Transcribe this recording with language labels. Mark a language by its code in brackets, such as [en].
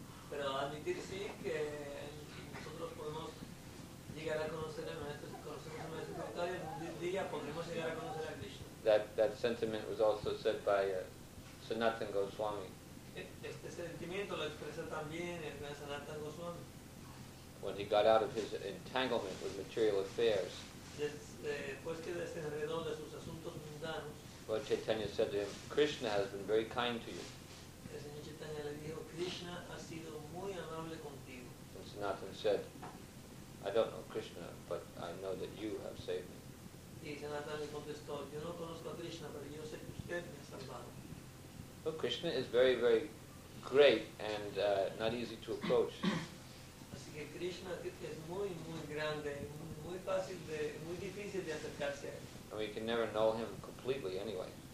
[es] Pero admitir sí que nosotros podemos llegar a conocer a nuestro maestro espiritual y un día podremos llegar a conocer a Krishna. [en] That sentiment was also said by Sanatan Goswami. [es] Este sentimiento lo expresa también el gran Sanatan Goswami. [en] When he got out of his entanglement with material affairs. [es] Después que desenredó de sus asuntos mundanos. [en] Lord Chaitanya said to him, Krishna has been very kind to you. [es] El señor Chaitanya le dijo, Krishna ha sido muy amable contigo. [en] And Sanatana said, I don't know Krishna, but I know that you have saved me. [es] Y Sanatana le contestó, yo no conozco a Krishna, pero yo sé que usted me ha salvado. [en] Well, Krishna is very, very great and not easy to approach. [es] Así que Krishna es muy, muy grande, muy fácil de, muy difícil de acercarse a él. [en] And we can never know him completely anyway.